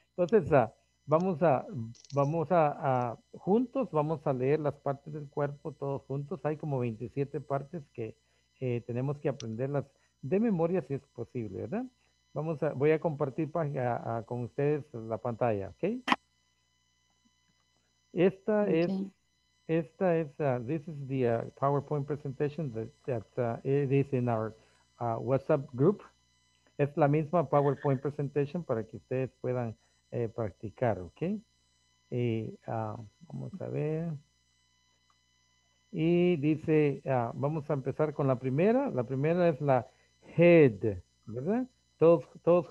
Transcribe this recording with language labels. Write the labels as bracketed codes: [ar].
[es] Entonces, vamos a juntos vamos a leer las partes del cuerpo todos juntos. Hay como 27 partes que tenemos que aprenderlas de memoria si es posible, ¿verdad? Voy a compartir con ustedes la pantalla, ¿ok? [en] This is the PowerPoint presentation that it is in our WhatsApp group. [es] Es la misma PowerPoint presentation para que ustedes puedan practicar, ¿ok? Vamos a ver. Y dice, vamos a empezar con la primera. La primera es la head, ¿verdad? Todos juntos,